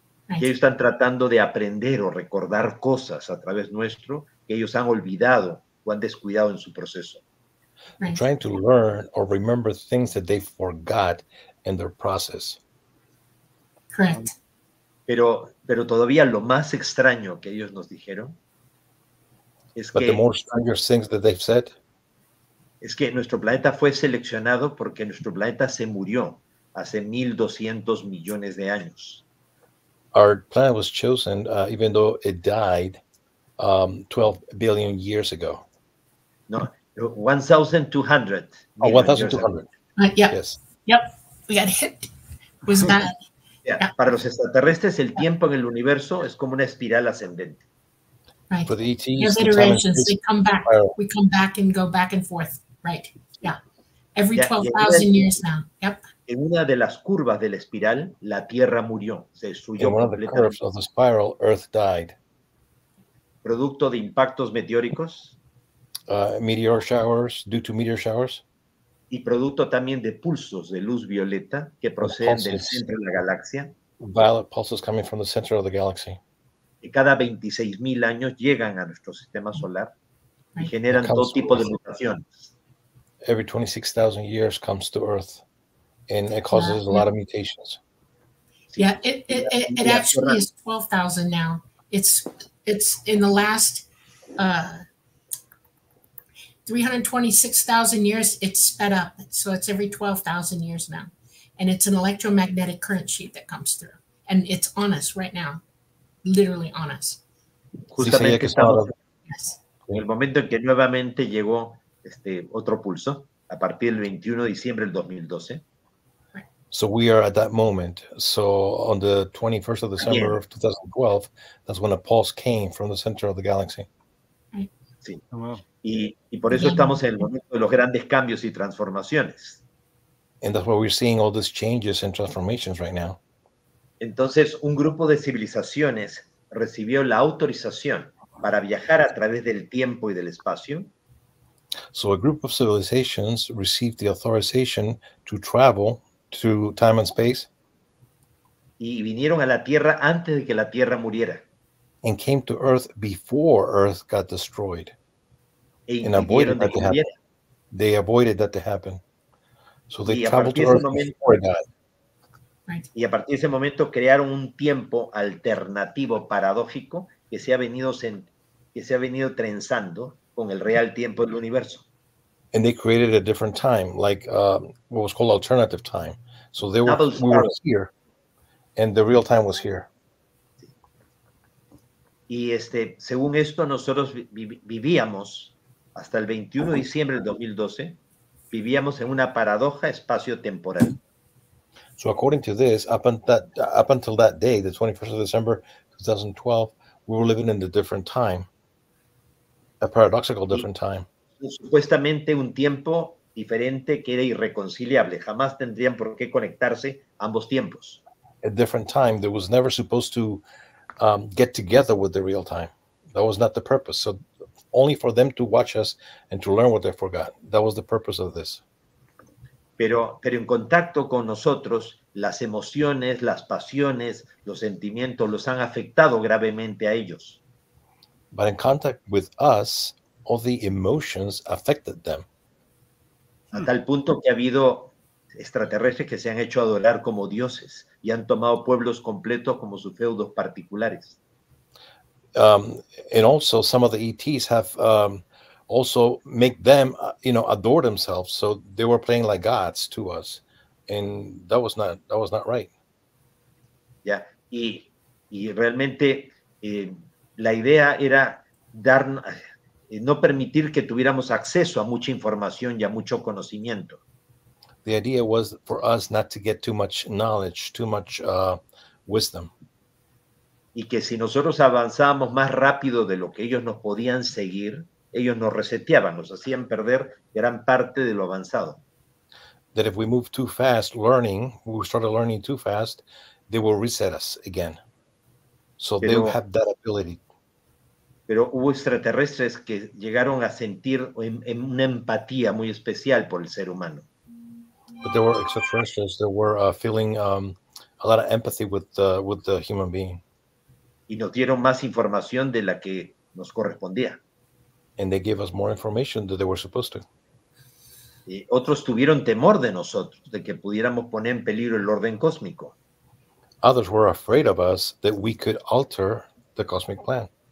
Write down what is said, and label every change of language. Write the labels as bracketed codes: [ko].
[es] Ellos están tratando de aprender o recordar cosas a través nuestro que ellos han olvidado o han descuidado en su proceso. [en] They're trying to learn or remember things that they forgot in their process. Correct. [es] Pero todavía lo más extraño que ellos nos dijeron es que... [en] But the more stranger things that they've said... [es] Es que nuestro planeta fue seleccionado porque nuestro planeta se murió hace 1.200 millones de años. [en] Our planet was chosen, even though it died 12 billion years ago. No, 1,200. Oh, 1,200. We got hit. Was bad. [es] Para los extraterrestres, el tiempo en el universo es como una espiral ascendente. [en] Right. For the ETs, yeah, iterations, they come back. We come back and go back and forth. Right. Yeah. Every 12,000 years now. Yep. [es] En una de las curvas de la espiral, la Tierra murió, se destruyó. [en] In one of the curves of the spiral, Earth died. [es] Producto de impactos meteóricos. [en] Meteor showers, due to meteor showers. [es] Y producto también de pulsos de luz violeta que proceden del centro de la galaxia. [en] Violet pulses coming from the center of the galaxy. [es] Y cada 26,000 años llegan a nuestro sistema solar y generan todo tipo de mutaciones. [en] Every 26,000 years comes to Earth. And it causes a lot of mutations. Yeah, it actually is 12,000 now. It's in the last 326,000 years, it's sped up. So it's every 12,000 years now. And it's an electromagnetic current sheet that comes through. And it's on us right now, literally on us. [es] Justamente en el momento en que nuevamente llegó este otro pulso, a partir del 21 de diciembre del 2012, [en] so we are at that moment. So on the 21st of December of 2012, that's when a pulse came from the center of the galaxy. [es] Sí. [en] Oh, wow. [es] Y por eso estamos en el momento de los grandes cambios y transformaciones. [en] And that's why we're seeing all these changes and transformations right now. [es] Entonces, un grupo de civilizaciones recibió la autorización para viajar a través del tiempo y del espacio. [en] So a group of civilizations received the authorization to travel through time and space. [es] Y vinieron a la Tierra antes de que la Tierra muriera. [en] And came to Earth before Earth got destroyed. And avoided that to happen. They avoided that to happen. So they traveled to Earth before that. Right. [es] Y a partir de ese momento crearon un tiempo alternativo paradójico que se ha venido trenzando con el real tiempo del universo. [en] And they created a different time, like what was called alternative time. So they were, we were here, and the real time was here. [es] Y este, según esto, nosotros vivíamos hasta el 21 de diciembre del 2012, vivíamos en una paradoja espacio-temporal. [en] So according to this, up until that day, the 21st of December 2012, we were living in a different time, a paradoxical different time. [es] Supuestamente un tiempo diferente que era irreconciliable. Jamás tendrían por qué conectarse ambos tiempos. [en] A different time that was never supposed to get together with the real time. That was not the purpose. So only for them to watch us and to learn what they forgot. That was the purpose of this. [es] Pero en contacto con nosotros, las emociones, las pasiones, los sentimientos los han afectado gravemente a ellos. [en] But in contact with us, all the emotions affected them. [es] A tal punto que ha habido extraterrestres que se han hecho adorar como dioses y han tomado pueblos completos como sus feudos particulares. [en] And also some of the ETs have also make them, you know, adore themselves. So they were playing like gods to us. And that was not right. Yeah. [es] Y realmente la idea era dar... no permitir que tuviéramos acceso a mucha información y a mucho conocimiento. [en] The idea was for us not to get too much knowledge, too much wisdom. [es] Y que si nosotros avanzábamos más rápido de lo que ellos nos podían seguir, ellos nos reseteaban, nos hacían perder gran parte de lo avanzado. [en] That if we moved too fast learning, we started learning too fast, they will reset us again. So they will have that ability. [es] Pero hubo extraterrestres que llegaron a sentir en una empatía muy especial por el ser humano. [en] But there were extraterrestrials that were feeling a lot of empathy with the human being. [es] Y nos dieron más información de la que nos correspondía. [en] And they gave us more information than they were supposed to. [es] Y otros tuvieron temor de nosotros, de que pudiéramos poner en peligro el orden cósmico. [en] Others were afraid of us that we could alter the cosmic plan.